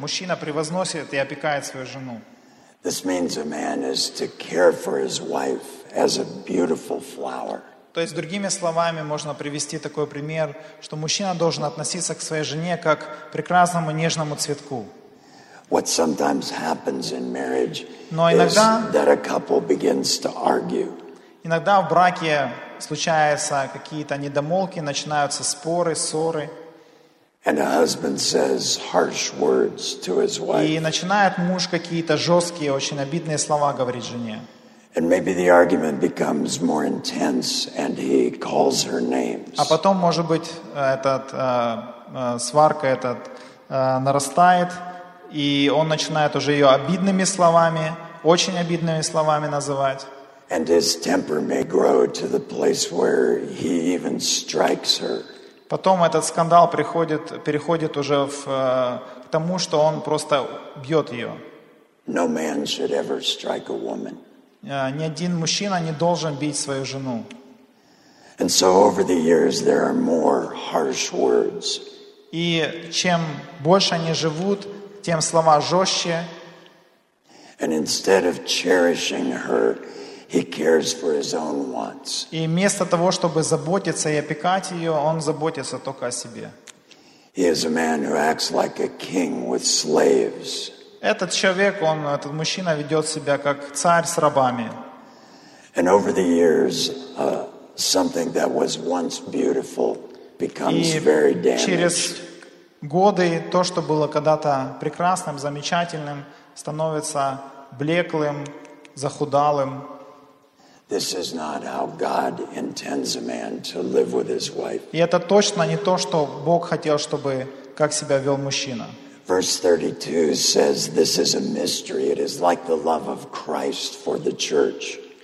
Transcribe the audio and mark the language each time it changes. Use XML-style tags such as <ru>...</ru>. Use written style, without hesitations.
<ru>Мужчина превозносит и опекает свою жену.</ru> <en>This means a man is to care for his wife as a beautiful flower.</en> <ru>То есть, другими словами, можно привести такой пример, что мужчина должен относиться к своей жене как к прекрасному нежному цветку.</ru> <en>What sometimes happens in marriage</en> <ru>Но иногда,</ru> <en>is that a couple begins to argue.</en> <ru>Иногда в браке случаются какие-то недомолвки, начинаются споры, ссоры.</ru> <en>And a husband says harsh words to his wife.</en> <ru>И начинает муж какие-то жесткие, очень обидные слова говорить жене.</ru> <en>And maybe the argument becomes more intense, and he calls her names.</en> <ru>А потом, может быть, этот сварка этот нарастает, и он начинает уже ее обидными словами, очень обидными словами называть.</ru> <en>And his temper may grow to the place where he even strikes her.</en> <ru>Потом этот скандал переходит уже к тому, что он просто бьет ее.</ru> <en>No man should ever strike a woman.</en> <ru>Ни один мужчина не должен бить свою жену.</ru> <en>And so over the years there are more harsh words.</en> <ru>И чем больше они живут, тем слова жестче.</ru> <en>And instead of cherishing her, he cares for his own wants.</en> <ru>И вместо того, чтобы заботиться и опекать ее, он заботится только о себе.</ru> <en>He is a man who acts like a king with slaves.</en> <ru>Этот человек, он, этот мужчина ведет себя как царь с рабами.</ru> <en>And over the years, something that was once beautiful becomes very damaged.</en> <ru>И через годы то, что было когда-то прекрасным, замечательным, становится блеклым, захудалым.</ru> <en>This is not how God intends a man to live with his wife.</en> <ru>И это точно не то, что Бог хотел, чтобы как себя вел мужчина.</ru> <en>Verse 32 says this is a mystery. It is like the love of Christ for the church.</en>